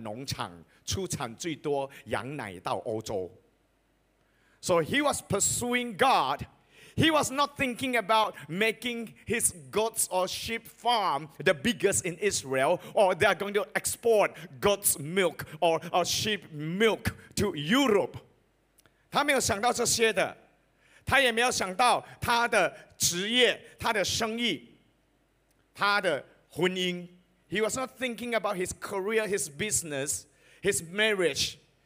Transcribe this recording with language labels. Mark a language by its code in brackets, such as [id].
[zh] 他不是追求他要他们家有以色列最大的农场，出产最多羊奶到欧洲。 [en] So he was pursuing God. He was not thinking about making his goats or sheep farm the biggest in Israel, or they are going to export goat's milk or sheep milk to Europe. [zh] 他没有想到这些的。他也没有想到他的职业、他的生意、他的婚姻。 [en] He was not thinking about his career, his business, his marriage.